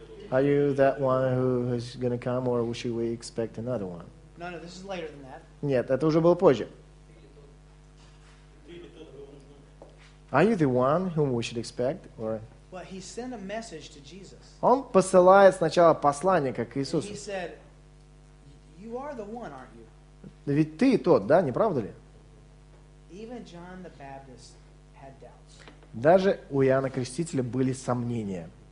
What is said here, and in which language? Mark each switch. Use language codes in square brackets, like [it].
[en] Are you that one who is going to come, or should we expect another one? No, this is later than that. [ru] Нет, это уже было позже. [en] Are you the one whom we should expect, or? Well, he sent a message to Jesus. [ru] Он посылает сначала посланника к Иисусу. [en] He said, "You are the one, aren't you?" [ru] Ведь ты тот, да, не правда ли? [en] Even John the Baptist had doubts. [ru] Даже у Иоанна Крестителя были сомнения.